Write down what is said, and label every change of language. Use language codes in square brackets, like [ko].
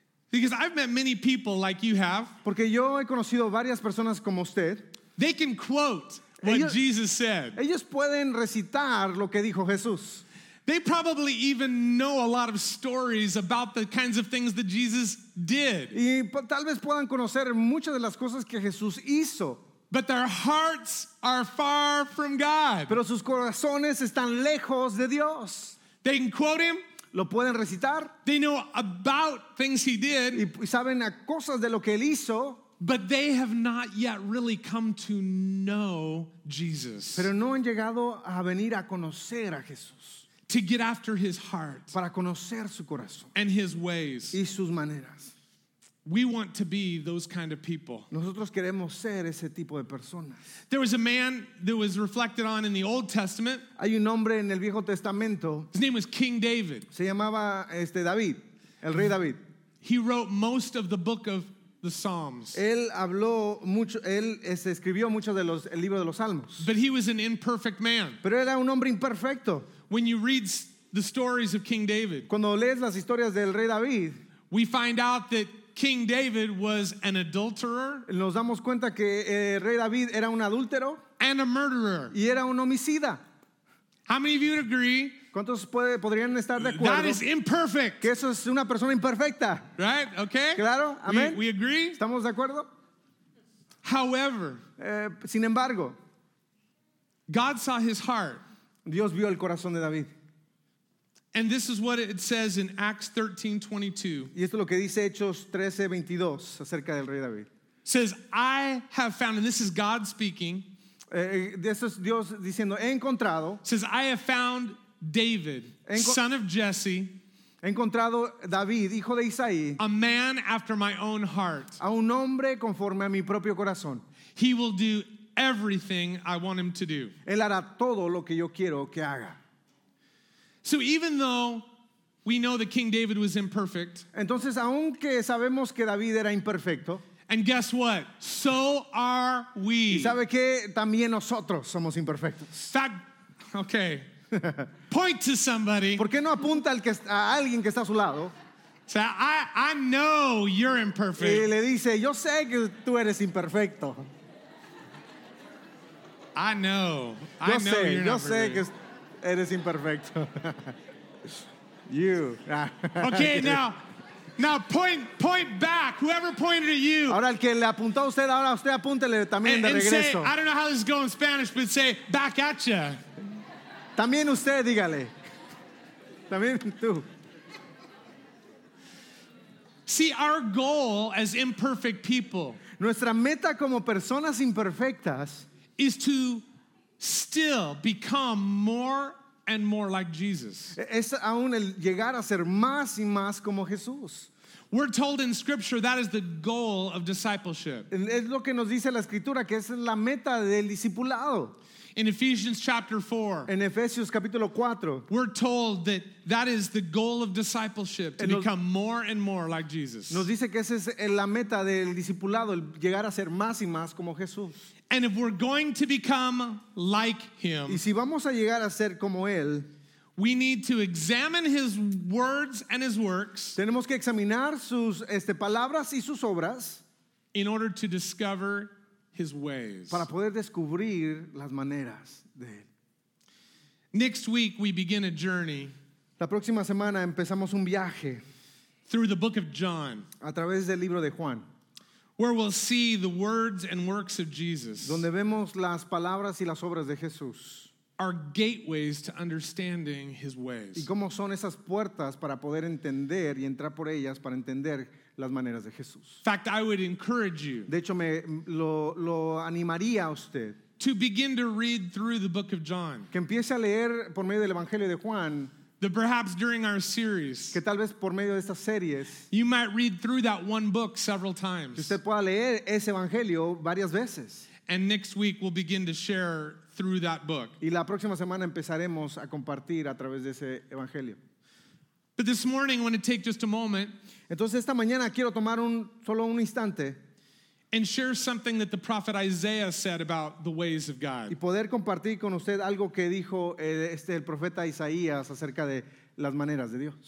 [en] Because I've met many people like you have, [es] porque yo he conocido varias personas como usted. [en] They can quote what [es] ellos, [en] Jesus said. [es] Ellos pueden recitar lo que dijo Jesús. [en] They probably even know a lot of stories about the kinds of things that Jesus did. [es] Y tal vez puedan conocer muchas de las cosas que Jesús hizo. [en] But their hearts are far from God. [es] Pero sus corazones están lejos de Dios. [en] They can quote him. [es] Lo pueden recitar. [en] They know about things he did. [es] Y saben a cosas de lo que él hizo. [en] But they have not yet really come to know Jesus. [es] Pero no han llegado a venir a conocer a Jesús. [en] To get after his heart, [es] para conocer su corazón, [en] and his ways, [es] y sus maneras. [en] We want to be those kind of people. [es] Nosotros queremos ser ese tipo de personas. [en] There was a man that was reflected on in the Old Testament. [es] Hay un hombre en el Viejo Testamento. [en] His name was King David. [es] Se llamaba David, el rey David. [en] He wrote most of the book of the Psalms. [es] Él habló mucho, él escribió mucho de los, el libro de los Salmos. [en] But he was an imperfect man. [es] Pero era un hombre imperfecto. [en] When you read the stories of King David, [es] cuando lees las historias del rey David, [en] we find out that King David was an adulterer. [es] Nos damos cuenta que rey David era un adúltero, [en] and a murderer. [es] Y era un homicida. [en] How many of you would agree? [es] ¿Cuántos podrían estar de acuerdo? [en] That is imperfect. [es] Que eso es una persona imperfecta. [en] Right? Okay. [es] Claro. Amen. [en] We agree. [es] Estamos de acuerdo. [en] However, [es] sin embargo, [en] God saw his heart. [es] Dios vio el corazón de David. [en] And this is what it says in Acts 13:22. [es] Y esto es lo que dice Hechos 13:22 acerca del rey David. [en] It says, I have found, and this is God speaking. [es] Esto es Dios diciendo, he encontrado. [en] It says, I have found David, son of Jesse. [es] He encontrado David, hijo de Isaí. [en] A man after my own heart. [es] A un hombre conforme a mi propio corazón. [en] He will do everything I want him to do. [es] Él hará todo lo que yo quiero que haga. [en] So even though we know that King David was imperfect, [es] entonces aunque sabemos que David era imperfecto, [en] and guess what? So are we. [es] ¿Y sabe qué? También nosotros somos imperfectos. [en] Okay. Point to somebody. [es] ¿Por qué no apunta a alguien que está a su lado? [en] So I know you're imperfect. [es] Y le dice, yo sé que tú eres imperfecto. [en] I know. [es] Yo [en] I know [es] sé, [en] you're [es] yo [en] not [es] sé que eres imperfecto. [en] You. Okay, now point back. Whoever pointed at you. [es] Ahora el que le apuntó a usted, ahora usted apúntele también [en] and [es] de regreso. [en] Say, I don't know how this is going in Spanish, but say back at ya. [es] También usted, dígale. También tú. [en] See, our goal as imperfect people. [es] Nuestra meta como personas imperfectas [en] is to still become more and more like Jesus. [es] Es aún el llegar a ser más y más como Jesús. [en] We're told in Scripture that is the goal of discipleship. [es] Es lo que nos dice la Escritura, que es la meta del discipulado. [en] In Ephesians chapter 4, [es] en Efesios capítulo 4, [en] we're told that that is the goal of discipleship, to become more and more like Jesus. [es] Nos dice que esa es la meta del discipulado, el llegar a ser más y más como Jesús. [en] And if we're going to become like him, [es] y si vamos a llegar a ser como él, [en] we need to examine his words and his works. [es] Tenemos que examinar sus palabras y sus obras, [en] in order to discover his ways. [es] Para poder descubrir las maneras de él. [en] Next week we begin a journey. [es] La próxima semana empezamos un viaje. [en] Through the book of John. [es] A través del libro de Juan. [en] Where we'll see the words and works of Jesus. [es] Donde vemos las palabras y las obras de Jesús. [en] Are gateways to understanding his ways. [es] Y cómo son esas puertas para poder entender y entrar por ellas para entender las maneras de Jesús. [en] In fact, I would encourage you. [es] De hecho, lo animaría a usted. [en] To begin to read through the book of John. [es] Que empiece a leer por medio del Evangelio de Juan. [en] That perhaps during our series. [es] Que tal vez por medio de estas series. [en] You might read through that one book several times. [es] Que usted pueda leer ese Evangelio varias veces. [en] And next week we'll begin to share through that book. [es] Y la próxima semana empezaremos a compartir a través de ese Evangelio. [en] But this morning I want to take just a moment. [es] Entonces esta mañana quiero tomar solo un instante. [en] And share something that the prophet Isaiah said about the ways of God. [es] Y poder compartir con usted algo que dijo el profeta Isaías acerca de las maneras de Dios.